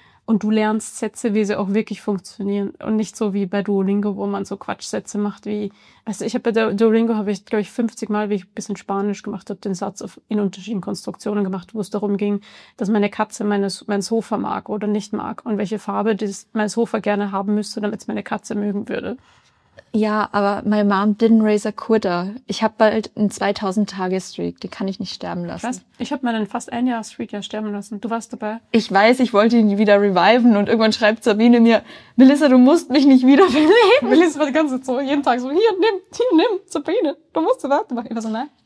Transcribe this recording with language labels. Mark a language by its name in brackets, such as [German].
[German] und du lernst Sätze, wie sie auch wirklich funktionieren. Und nicht so wie bei Duolingo, wo man so Quatschsätze macht wie... Also ich habe bei Duolingo, habe ich glaube ich 50 Mal, wie ich ein bisschen Spanisch gemacht habe, den Satz in unterschiedlichen Konstruktionen gemacht, wo es darum ging, dass meine Katze mein Sofa mag oder nicht mag und welche Farbe mein Sofa gerne haben müsste, damit es meine Katze mögen würde. Ja, aber [English] my mom didn't raise a quitter. [German] Ich habe bald einen 2000-Tage-Streak, den kann ich nicht sterben lassen. Ich habe meinen fast ein Jahr-Streak ja sterben lassen. Du warst dabei. Ich weiß, ich wollte ihn wieder reviven und irgendwann schreibt Sabine mir, Melissa, du musst mich nicht wieder beleben. Melissa war die ganze Zeit so, jeden Tag so, hier, nimm, Sabine, du musst warten. Ich war so, nein.